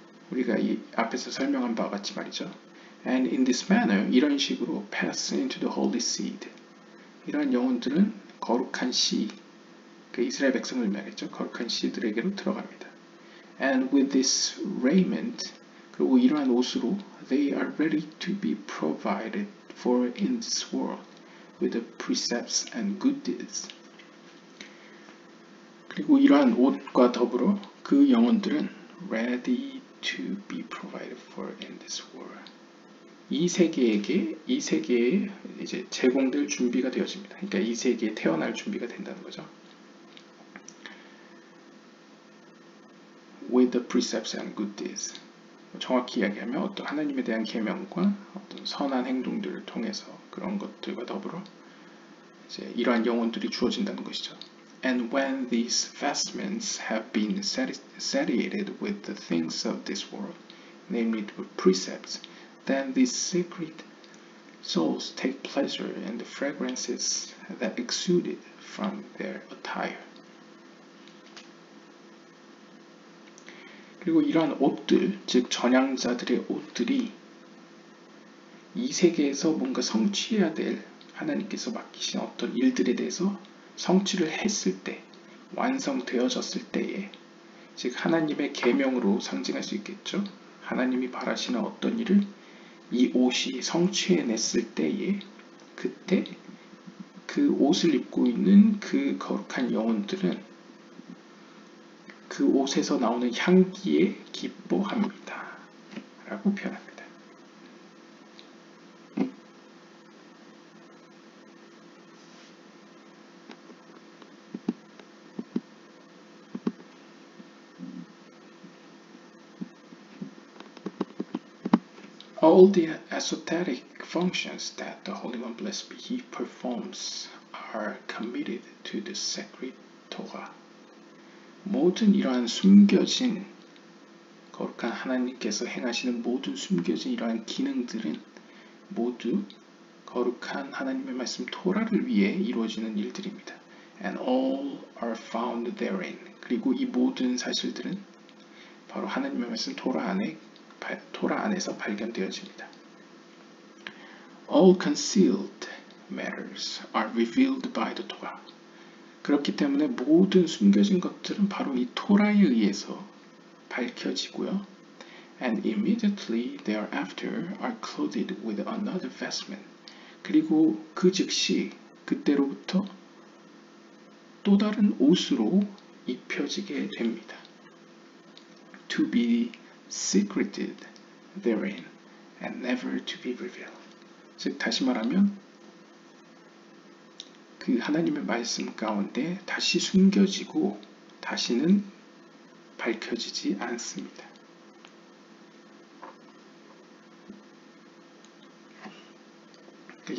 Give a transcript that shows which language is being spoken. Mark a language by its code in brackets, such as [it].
[ko] 우리가 이 앞에서 설명한 바와 같이 말이죠. [en] And in this manner, [ko] 이런 식으로 [en] pass into the holy seed. [ko] 이러한 영혼들은 거룩한 씨, 그 이스라엘 백성을 말했죠. 거룩한 씨들에게로 들어갑니다. [en] And with this raiment, [ko] 그리고 이러한 옷으로 [en] they are ready to be provided for in this world with the precepts and good deeds. [ko] 그리고 이러한 옷과 더불어 그 영혼들은 [en] ready to be provided for in this world. [ko] 이 세계에게 이 세계에 이제 제공될 준비가 되어집니다. 그러니까 이 세계에 태어날 준비가 된다는 거죠. [en] With the precepts and good deeds. [ko] 정확히 이야기하면 어떤 하나님에 대한 계명과 어떤 선한 행동들을 통해서 그런 것들과 더불어 이제 이러한 영혼들이 주어진다는 것이죠. [en] And when these vestments have been satiated with the things of this world, namely the precepts, then these secret souls take pleasure in the fragrances that exuded from their attire. [ko] 그리고 이러한 옷들, 즉 전향자들의 옷들이 이 세계에서 뭔가 성취해야 될 하나님께서 맡기신 어떤 일들에 대해서 성취를 했을 때, 완성되어졌을 때에 즉 하나님의 계명으로 상징할 수 있겠죠. 하나님이 바라시는 어떤 일을 이 옷이 성취해냈을 때에 그때 그 옷을 입고 있는 그 거룩한 영혼들은 그 옷에서 나오는 향기에 기뻐합니다 라고 표현합니다. [en] All the esoteric functions that the Holy One Blessed Be He performs are committed to the sacred Torah. [ko] 모든 이러한 숨겨진 거룩한 하나님께서 행하시는 모든 숨겨진 이러한 기능들은 모두 거룩한 하나님의 말씀 토라를 위해 이루어지는 일들입니다. [en] And all are found therein. [ko] 그리고 이 모든 사실들은 바로 하나님의 말씀 토라 안에 토라 안에서 발견되어집니다. [en] All concealed matters are revealed by the Torah. [ko] 그렇기 때문에 모든 숨겨진 것들은 바로 이 토라에 의해서 밝혀지고요. [en] And immediately thereafter are clothed with another vestment. [ko] 그리고 그 즉시 그때로부터 또 다른 옷으로 입혀지게 됩니다. [en] To be secreted therein and never to be revealed. [ko] 즉 다시 말하면 그 하나님의 말씀 가운데 다시 숨겨지고 다시는 밝혀지지 않습니다. Mm-hmm.